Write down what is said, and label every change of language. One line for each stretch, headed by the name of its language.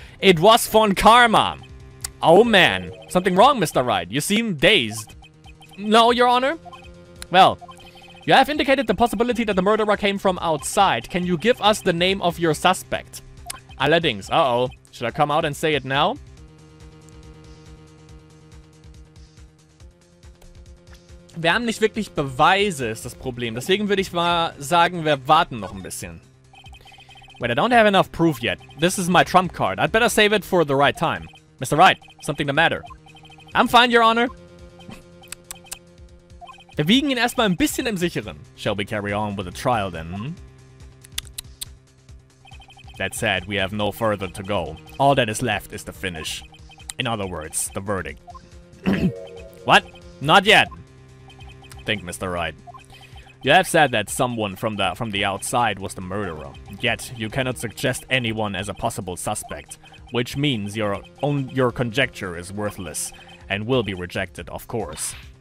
English: It was Von Karma. Oh man. Something wrong, Mr. Wright. You seem dazed. No, Your Honor? Well, you have indicated the possibility that the murderer came from outside. Can you give us the name of your suspect?
German: Allerdings. Uh-oh.
English: Should I come out and say it now?
German: Wir haben nicht wirklich Beweise, ist das Problem. Deswegen würde ich mal sagen, wir warten noch ein bisschen.
English: Wait, I don't have enough proof yet. This is my trump card. I'd better save it for the right time. Mr. Wright, something the matter. I'm fine, Your Honor.
German: Wir wiegen ihn erstmal ein bisschen im Sicheren.
English: Shall we carry on with the trial then? That said, we have no further to go. All that is left is the finish. In other words, the verdict. What? Not yet. Think, Mr. Wright. You have said that someone from the outside was the murderer, yet you cannot suggest anyone as a possible suspect, which means your conjecture is worthless and will be rejected, of course.